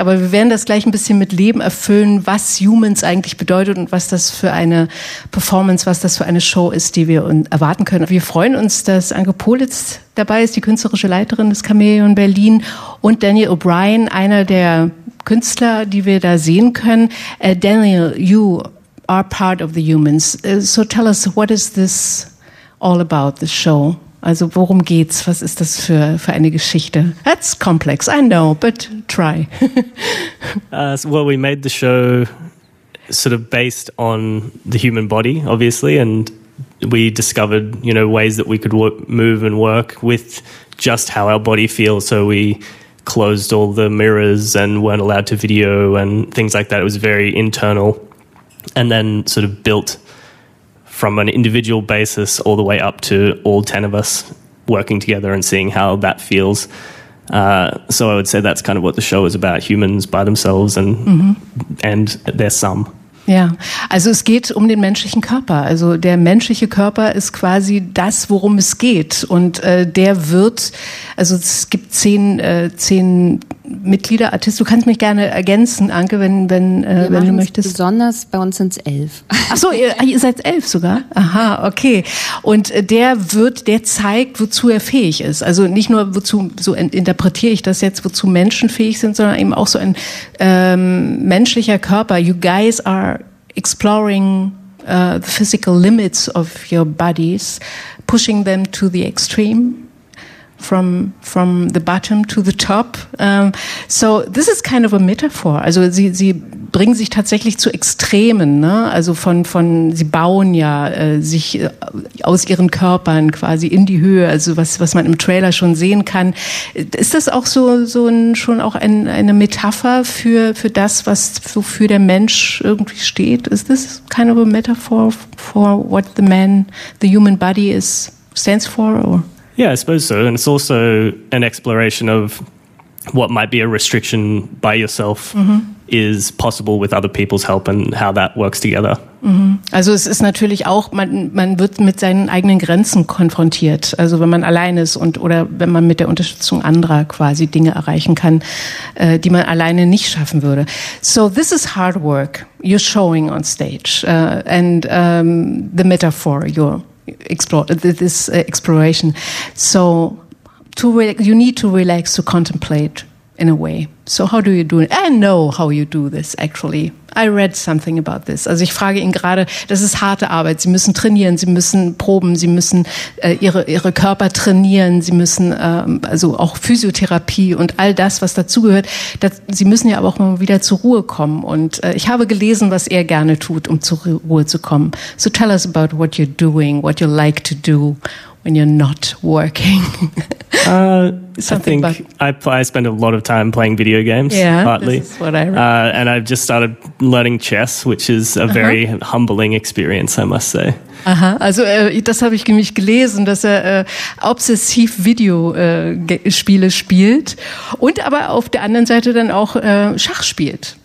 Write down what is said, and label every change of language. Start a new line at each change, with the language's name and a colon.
German: Aber wir werden das gleich ein bisschen mit Leben erfüllen, was Humans eigentlich bedeutet und was das für eine Performance, was das für eine Show ist, die wir erwarten können. Wir freuen uns, dass Anke Politz dabei ist, die künstlerische Leiterin des Chamäleon Berlin und Daniel O'Brien, einer der Künstler, die wir da sehen können.
English: Daniel, you are part of the Humans. So tell us, what is this all about, the show? Also worum geht's? Was ist das für eine Geschichte? That's complex, I know, but try. Well, we made the show sort of based on the human body, obviously, and we discovered, you know, ways that we could move and work with just how our body feels. So we closed all the mirrors and weren't allowed to video and things like that. It was very internal. And then sort of built from an individual basis all the way up to all 10 of us working together and seeing how that feels. So I would say that's kind of what the show is about, humans by themselves and and their sum.
German: Ja, also es geht um den menschlichen Körper. Also der menschliche Körper ist quasi das, worum es geht. Und der wird, also es gibt 10 Mitglieder, Artisten. Du kannst mich gerne ergänzen, Anke, wenn du möchtest. Besonders, bei uns sind es 11. Ach so, ihr seid 11 sogar? Aha, okay. Und der zeigt, wozu er fähig ist. Also nicht nur, wozu, so interpretiere ich das jetzt, wozu Menschen fähig sind, sondern eben auch so ein menschlicher Körper.
English: You guys are exploring the physical limits of your bodies, pushing them to the extreme. from the bottom to the top. So this is kind of a metaphor.
German: Also sie bringen sich tatsächlich zu Extremen, ne? Also von sie bauen ja sich aus ihren Körpern quasi in die Höhe, also was man im Trailer schon sehen kann. Ist das auch eine Metapher für das, was wofür der Mensch irgendwie steht?
English: Is this kind of a metaphor for what the human body stands for? Or? Yeah, I suppose so. And it's also an exploration of what might be a restriction by yourself mm-hmm. is possible with other people's help and how that works together. Mm-hmm.
German: Also es ist natürlich auch, man wird mit seinen eigenen Grenzen konfrontiert. Also wenn man allein ist oder wenn man mit der Unterstützung anderer quasi Dinge erreichen kann, die man alleine nicht schaffen würde.
English: So this is hard work you're showing on stage and the metaphor you're exploration. So you need to relax to contemplate in a way. So how do you do it? I know how you do this actually. I read something about this.
German: Also ich frage ihn gerade, das ist harte Arbeit. Sie müssen trainieren, sie müssen proben, sie müssen ihre Körper trainieren, sie müssen also auch Physiotherapie und all das, was dazugehört. Sie müssen ja aber auch mal wieder zur Ruhe kommen. Und ich habe gelesen, was er gerne tut, um zur Ruhe zu kommen.
English: So tell us about what you're doing, what you like to do when you're not working. I spend a lot of time playing video games, yeah, partly. This is what I read. And I've just started learning chess, which is a very humbling experience, I must say.
German: Aha, also das habe ich nämlich gelesen, dass er obsessiv Videospiele spielt und aber auf der anderen Seite dann auch Schach spielt.